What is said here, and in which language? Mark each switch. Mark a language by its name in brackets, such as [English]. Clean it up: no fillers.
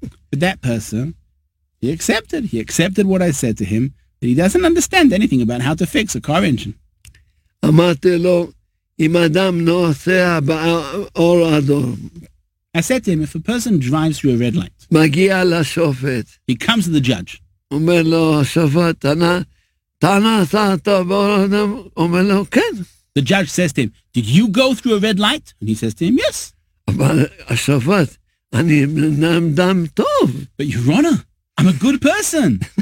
[English] But that person, he accepted what I said to him, that he doesn't understand anything about how to fix a car engine. [Hebrew] אמרתי לו, אם אדם נוסע באור אדום. [English] I said to him, if a person drives through a red light, [Hebrew] מגיע לשופט. [English] He comes to the judge. [Hebrew] אומר לו, השופט, אתה נסעת באור אדום? אומר לו, כן. [English] The judge says to him, did you go through a red light? And he says to him, yes. [Hebrew] אבל השופט, אני אדם טוב. [English] But your honor, I'm a good person.